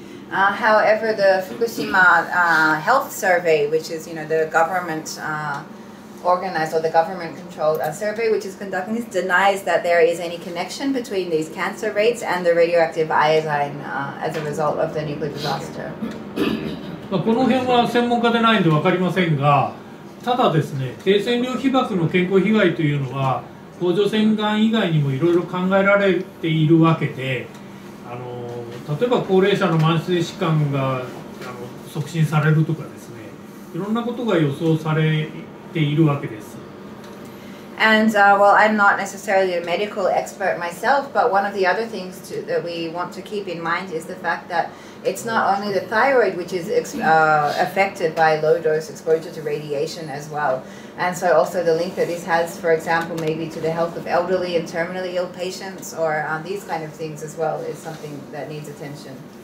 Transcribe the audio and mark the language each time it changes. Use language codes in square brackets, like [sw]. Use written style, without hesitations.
[en] However, the Fukushima Health Survey, which is, you know, the government organized or the government controlled survey which is conducting this, denies that there is any connection between these cancer rates and the radioactive iodine as a result of the nuclear disaster. [ja] この辺は専門家でないんで分かりませんが、ただですね、低線量被曝の健康被害というのは、甲状腺がん以外にもいろいろ考えられているわけで、例えば高齢者の慢性疾患が促進されるとかですね、いろんなことが予想されているわけです。 [en] And well, I'm not necessarily a medical expert myself, but one of the other things to, that we want to keep in mind is the fact that it's not only the thyroid which is affected by low dose exposure to radiation as well. And so also the link that this has, for example, maybe to the health of elderly and terminally ill patients or these kind of things as well is something that needs attention.